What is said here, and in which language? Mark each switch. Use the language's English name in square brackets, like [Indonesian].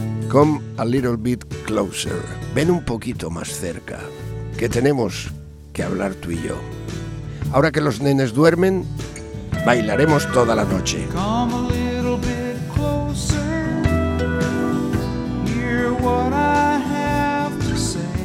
[English] Come a little bit closer. [Spanish] Ven un poquito más cerca, que tenemos que hablar tú y yo. Ahora que los nenes duermen, bailaremos toda la noche. [English] Come a little bit closer. Hear what I have to say.